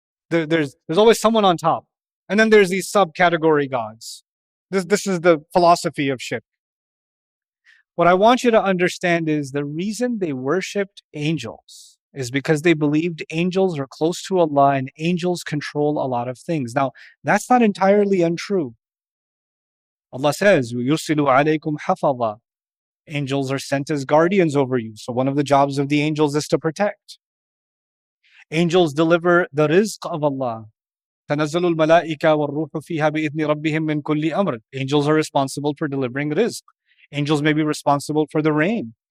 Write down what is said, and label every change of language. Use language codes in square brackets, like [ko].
[en] There's always someone on top. And then there's these subcategory gods. This is the philosophy of shirk. What I want you to understand is the reason they worshipped angels is because they believed angels are close to Allah and angels control a lot of things. Now, that's not entirely untrue. Allah says, [ar] يُرْسِلُ عَلَيْكُمْ حَفَظًا. [en] Angels are sent as guardians over you. So one of the jobs of the angels is to protect. Angels deliver the rizq of Allah. [ar] تَنَزَّلُ الْمَلَائِكَ وَالْرُوحُ فِيهَا بِإِذْنِ رَبِّهِمْ مِنْ كُلِّ أَمْرٍ. [en] Angels are responsible for delivering rizq. Angels may be responsible for the rain.